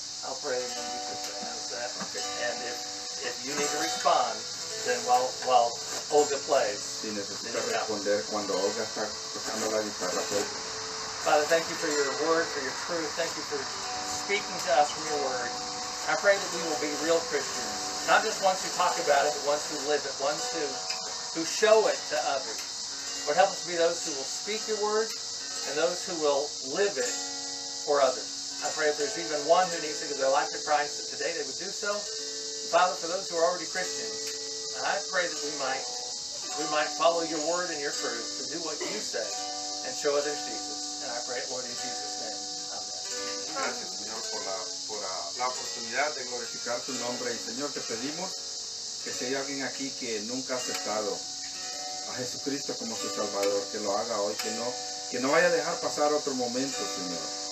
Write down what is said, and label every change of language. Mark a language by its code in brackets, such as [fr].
[en] I'll pray and then you can pronounce that. Okay. And if you need to respond, then while Olga plays. [es] Si necesita responder cuando Olga está tocando la guitarra. [en] Father, thank you for your word, for your truth. Thank you for speaking to us from your word. I pray that we will be real Christians. Not just ones who talk about it, but ones who live it, ones who show it to others. Lord, help us to be those who will speak your word and those who will live it for others. I pray if there's even one who needs to give their life to Christ, that today they would do so. And Father, for those who are already Christians, I pray that we might follow your word and your truth to do what you say and show others Jesus. And I pray it, Lord, in Jesus' name. [es] Gracias, Señor, por la oportunidad de glorificar tu nombre. Y, Señor, te pedimos que si hay alguien aquí que nunca ha aceptado a Jesucristo como su Salvador, que lo haga hoy, que no vaya a dejar pasar otro momento, Señor.